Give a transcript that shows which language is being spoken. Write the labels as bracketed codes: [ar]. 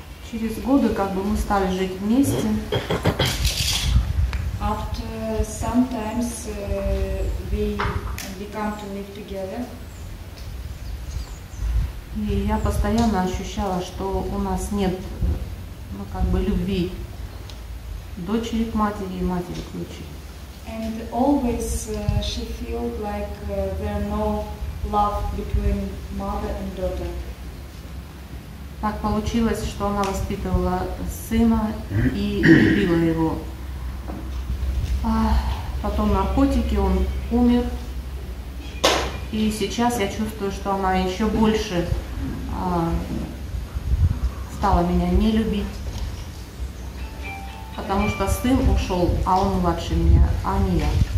[ru] Через годы как бы мы стали жить вместе. [en] After some time we began to live together. [ru] И я постоянно ощущала, что у нас нет, ну, как бы, любви дочери к матери и матери к дочери. [en] And always she felt like there no love between mother and daughter. [ru] Так получилось, что она воспитывала сына и любила его. А потом наркотики, он умер. И сейчас я чувствую, что она еще больше стала меня не любить, потому что сын ушел, а он младше меня, а не я.